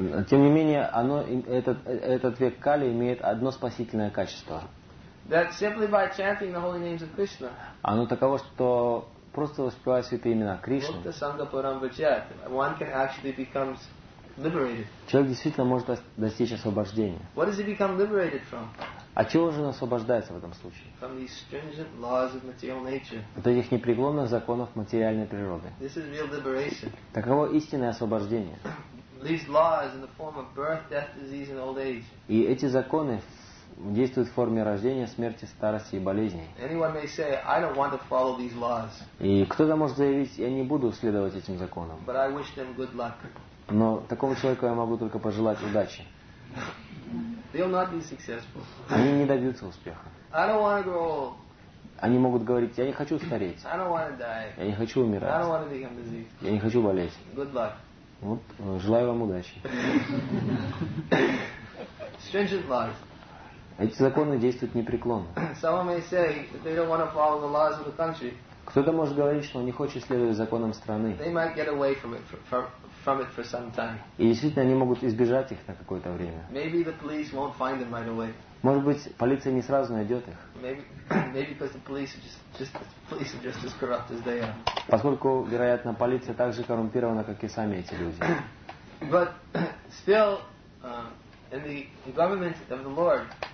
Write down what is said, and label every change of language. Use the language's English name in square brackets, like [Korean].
[Russian] Тем не менее, этот век Кали имеет одно спасительное качество. [English] That simply by chanting the holy names of Krishna. [Russian] Оно таково, что просто воспевая святые имена Кришны. [English] Mukta Sangha Param Vajat, one can actually become liberated. [Russian] Человек действительно может достичь освобождения. [English] What does he become liberated from? [Russian] От чего же он освобождается в этом случае? [English] From these stringent laws of material nature. [Russian] От этих непреклонных законов материальной природы. [English] This is real liberation. [Russian] Таково истинное освобождение. [English] These laws in the form of birth, death, disease, and old age. [Russian] И эти законы действует в форме рождения, смерти, старости и болезней. [English] Anyone may say, I don't want to follow these laws. [Russian] И кто-то может заявить, я не буду следовать этим законам. [English] But I wish them good luck. [Russian] Но такому человеку я могу только пожелать удачи. [English] They'll not be successful. [Russian] Они не добьются успеха. [English] I don't want to grow old. [Russian] Они могут говорить, я не хочу стареть. [English] I don't want to die. [Russian] Я не хочу умирать. [English] I don't want to become diseased. [Russian] Я не хочу болеть. [English] Good luck. [Russian] Вот, желаю вам удачи. [English] Stringent laws. [Russian] Эти законы действуют непреклонно. [English] Some may say they don't want to follow the laws of the country. [Russian] Кто-то может говорить, что он не хочет следовать законам страны. [English] They might get away from it for some time. [Russian] И действительно, они могут избежать их на какое-то время. [English] Maybe the police won't find them right away. [Russian] Может быть, полиция не сразу найдет их. [English] Maybe because the police are just as corrupt as they are. [Russian] Поскольку, вероятно, полиция так же коррумпирована, как и сами эти люди. [English] But still, in the government of the Lord.